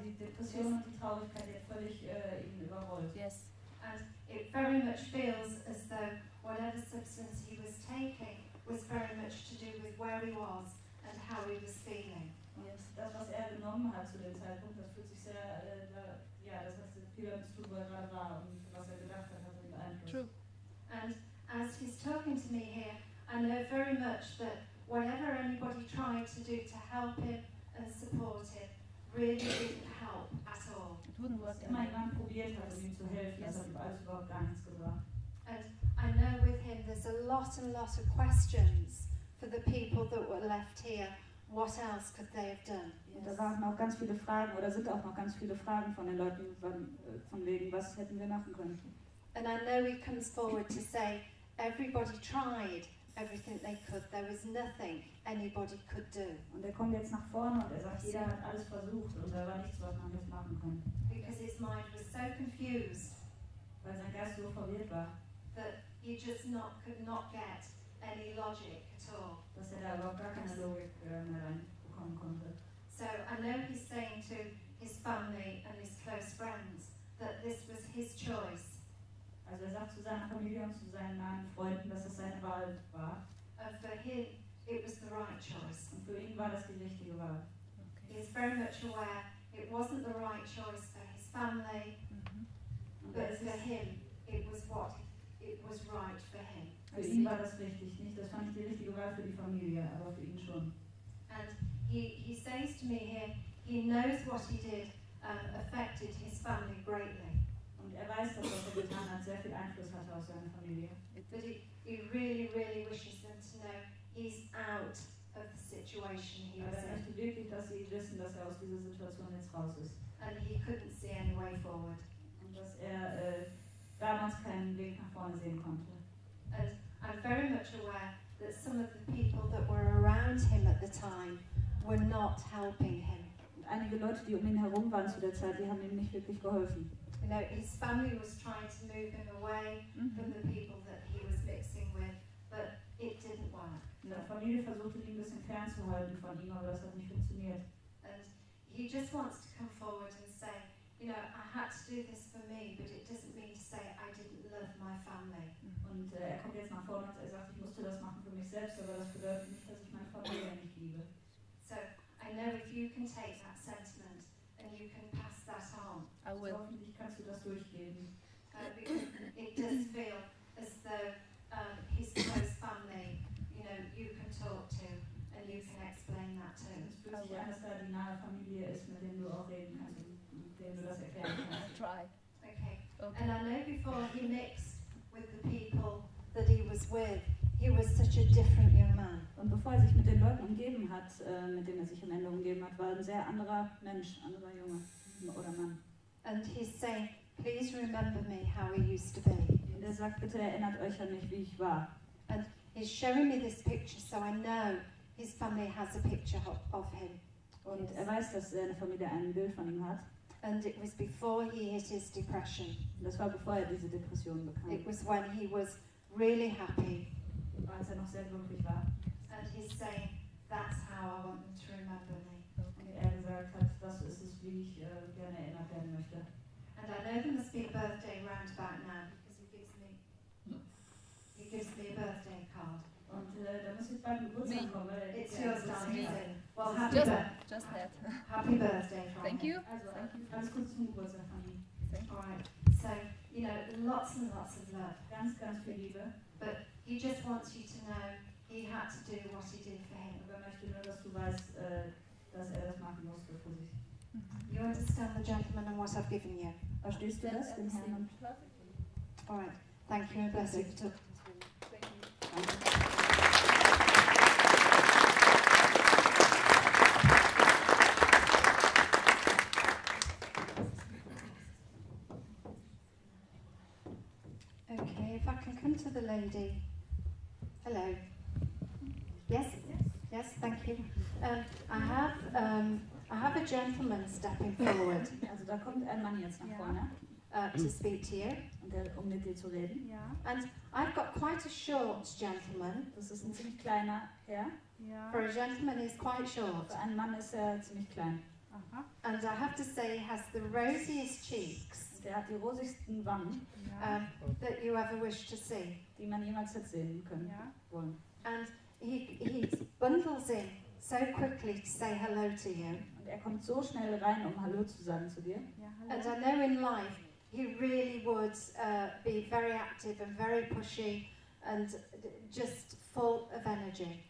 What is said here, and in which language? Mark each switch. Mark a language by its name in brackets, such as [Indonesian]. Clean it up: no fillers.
[German] Die Depression und die Traurigkeit hat völlig ihn überrollt. [English] Yes. And it very much feels as though whatever substance he was taking was very much to do with where he was and how he was feeling. Yes. [German] Das, was er genommen hat zu dem Zeitpunkt, das fühlt sich sehr, das hat viel damit zu tun, wo er gerade war und was er gedacht hat, hat ihn beeinflusst. [English] True. And as he's talking to me here, I know very much that whatever anybody tried to do to help him and support him really didn't help at all. It wouldn't work. [German] Immer jemand probiert hat, ihm zu helfen, das hat also überhaupt gar nichts gebracht. [English] And I know with him there's a lot and lot of questions for the people that were left here. What else could they have done? [German] Und da waren auch ganz viele Fragen, oder sind auch noch ganz viele Fragen von den Leuten von wegen, was hätten wir machen können? [English] And I know he comes forward to say, everybody tried everything they could. There was nothing anybody could do. [German] Und er kommt jetzt nach vorne und er sagt, jeder hat alles versucht und da war nichts, was man jetzt machen kann. [English] Because his mind was so confused. [German] Weil sein Geist so verwirrt war. [English] That he just could not get any logic at all. [German] Dass er da überhaupt gar keine Logik mehr reinbekommen konnte. [English] So I know he's saying to his family and his close friends that this was his choice. [German] Also er sagt zu seiner Familie und zu seinen nahen Freunden, dass es seine Wahl war. [English] For him, it was the right choice. [German] Und für ihn war das die richtige Wahl. [English] Okay. He's very much aware it wasn't the right choice for his family, but for him, it was right for him. [German] Für ihn war das richtig, nicht? Das fand ich die richtige Wahl für die Familie, aber für ihn schon. [English] And he says to me here, he knows what he did affected his family greatly. [German] Und er weiß, dass was er getan hat, sehr viel Einfluss hatte auf seine Familie. [English] But he really, really wishes them to know he's out of the situation he was in. [German] Aber er möchte wirklich, dass sie wissen, dass er aus dieser Situation jetzt raus ist. [English] And he couldn't see any way forward. [German] Und dass er damals keinen Weg nach vorne sehen konnte. [English] And I'm very much aware that some of the people that were around him at the time were not helping him. [German] Und einige Leute, die um ihn herum waren zu der Zeit, die haben ihm nicht wirklich geholfen. [English] You know, his family was trying to move him away from the people that he was mixing with, but it didn't work. [German] Seine Familie versuchte, ihn ein bisschen fernzuhalten von ihm, aber das hat nicht funktioniert. [English] And he he just wants to come forward and say, you know, I had to do this for me, but it doesn't mean to say I didn't love my family. [German] Und er kommt jetzt nach vorne und er sagt, ich musste das machen für mich selbst, aber das bedeutet nicht, dass ich meine Familie nicht liebe. [English] So, I know if you can take that sentiment and you can pass that on. I will. [German] So hoffentlich kannst du das durchgeben. [English] It does feel as though his close family, you know, you can talk to and you can explain that to. [German] Es fühlt sich an, dass da die nahe Familie ist, mit dem du auch reden kannst und dem du das erklären kannst. [English] I'll try. Okay. Okay. And I know before he mixed with the people that he was with, he was such a different young man. [German] Und bevor er sich mit den Leuten umgeben hat, mit denen er sich am Ende umgeben hat, war ein sehr anderer Mensch, anderer Junge oder Mann. [English] And he's saying, please remember me how he used to be. [German] Und er sagt, bitte erinnert euch an mich, wie ich war. [English] And he's showing me this picture, so I know his family has a picture of him. [German] Und [English] yes. [German] Er weiß, dass seine Familie ein Bild von ihm hat. [English] And it was before he hit his depression. [German] Das war bevor er diese Depression bekam. [English] It was when he was really happy. [German] Als er noch sehr glücklich war. [English] And he's saying, that's how I want them to remember me. Okay. [German] Und er gesagt hat, das ist es, wie ich gerne erinnert werden möchte. [English] And I know there must be a birthday round about now because he gives me a birthday card. [German] Und da muss ich bald Geburtstag kommen. [English] It's yours, darling. Me. Well, happy just that. Happy birthday, Frau. Thank you. [German] Ganz kurz zum Geburtstag, Frau. [English] All right. So, you know, lots and lots of love. [German] Ganz, ganz viel Liebe. [English] But he just wants you to know he had to do what he did for him. [German] Aber möchte nur, dass du weißt, dass er das machen musste für sich. [English] You understand the gentleman and what I've given you? [German] Verstehst du das, den Herrn? [English] All right. Thank you and bless you for talking to me. Thank you. Okay, if I can come to the lady. Hello. Yes? Yes, thank you. I have a gentleman stepping forward. [German] Also da kommt ein Mann jetzt nach vorne. [English] To speak to you. [German] Und der, um mit dir zu reden. [English] Yeah. And I've got quite a short gentleman. [German] Das ist ein ziemlich kleiner Herr. [English] Yeah. For a gentleman he's quite short. [German] Für einen Mann ist er ziemlich klein. Uh-huh. [English] And I have to say he has the rosiest cheeks. [German] Der hat die rosigsten Wangen. [English] Yeah. That you ever wish to see. [German] Die man jemals hat sehen können. [English] Yeah. [German] Wollen. [English] And he bundles in so quickly to say hello to you. [German] Und er kommt so schnell rein, um Hallo zu sagen zu dir. [English] Yeah, and I know in life he really would be very active and very pushy and just full of energy.